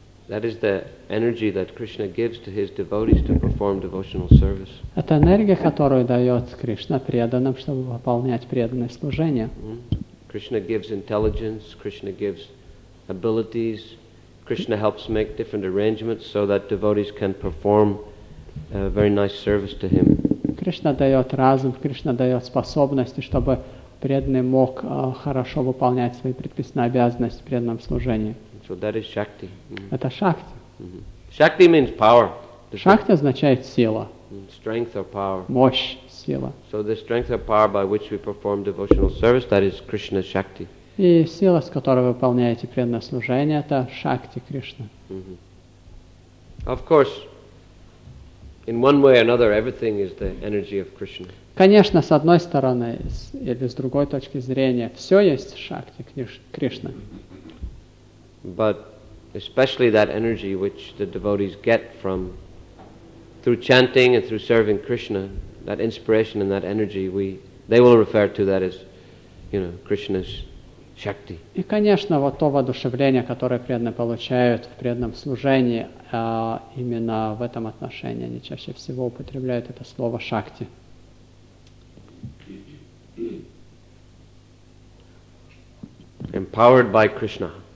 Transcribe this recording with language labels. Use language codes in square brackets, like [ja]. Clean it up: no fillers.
[en] That is the energy that Krishna gives to his devotees to perform devotional service. [ru] Это энергия, которую дает Кришна преданным, чтобы выполнять преданное служение. [en] Krishna gives intelligence. Krishna gives abilities. Krishna helps make different arrangements so that devotees can perform a very nice service to him. [ru] Кришна дает разум, Кришна дает способности, чтобы преданный мог хорошо выполнять свои предписанные обязанности в преданном служении. [en] So that is Shakti. [ru] Это Шакти. [en] Shakti means power. [ru] Шакти означает сила. [en] Strength or power. [ru] Мощь, сила. [en] So the strength or power by which we perform devotional service, that is Krishna Shakti. [ru] И сила, с которой вы выполняете преданное служение, это Шакти Кришна. [en] Of course, in one way or another, everything is the energy of Krishna. [ru] Конечно, с одной стороны или с другой точки зрения, все есть Шакти Кришна. [en] But especially that energy which the devotees get from through chanting and through serving Krishna, that inspiration and that energy, they will refer to that as, you know, Krishna's Shakti. [ru] И, конечно, вот то воодушевление, которое преданные получают в преданном служении, именно в этом отношении они чаще всего употребляют это слово Шакти. [en] Empowered by Krishna.